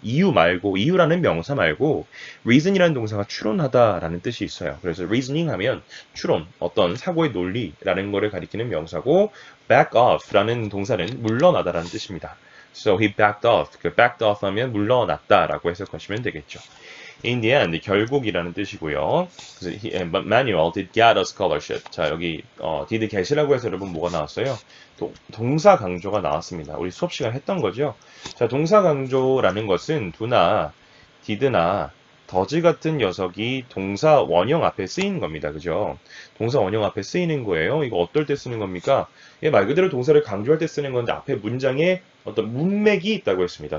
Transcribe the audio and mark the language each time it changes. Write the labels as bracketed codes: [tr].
[ko] 이유 말고, 이유라는 명사 말고, reason이라는 동사가 추론하다라는 뜻이 있어요. 그래서 reasoning 하면 추론, 어떤 사고의 논리라는 거를 가리키는 명사고, back off라는 동사는 물러나다라는 뜻입니다. [en] So he backed off. [ko] 그 backed off 하면 물러났다라고 해석하시면 되겠죠. [en] In the end, [ko] 결국이라는 뜻이고요. 그래서 [en] Manuel did get a scholarship. [ko] 자, 여기 did get이라고 해서 여러분 뭐가 나왔어요? 동사 강조가 나왔습니다. 우리 수업 시간에 했던 거죠. 자, 동사 강조라는 것은 do나 did나 does 같은 녀석이 동사 원형 앞에 쓰이는 겁니다. 그죠? 동사 원형 앞에 쓰이는 거예요. 이거 어떨 때 쓰는 겁니까? 얘말 그대로 동사를 강조할 때 쓰는 건데 앞에 문장에 어떤 문맥이 있다고 했습니다.